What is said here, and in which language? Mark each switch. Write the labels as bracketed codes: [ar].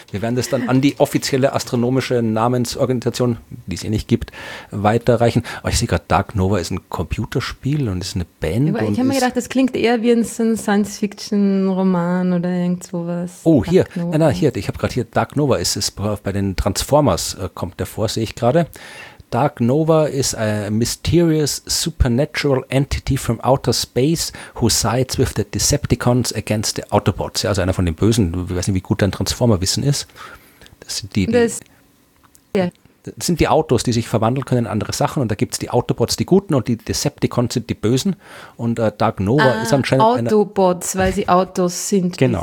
[de] Wir werden das dann an die offizielle astronomische Namensorganisation, die es eh nicht gibt, weiterreichen. Aber ich sehe gerade, Dark Nova ist ein Computerspiel und ist eine Band. Aber ich habe mir gedacht, das klingt eher wie ein Science-Fiction-Roman oder irgend sowas. Oh, Dark hier. Nein, ich habe gerade hier, Dark Nova ist bei den Transformers, kommt der vor, sehe ich gerade. [en] Dark Nova is a mysterious supernatural entity from outer space who sides with the Decepticons against the Autobots. [de] Ja, also einer von den Bösen. Ich weiß nicht, wie gut dein Transformer-Wissen ist. Das sind die Autos, die sich verwandeln können in andere Sachen. Und da gibt es die Autobots, die Guten, und die Decepticons sind die Bösen. Und Dark Nova ist anscheinend... Autobots, weil sie Autos sind, genau.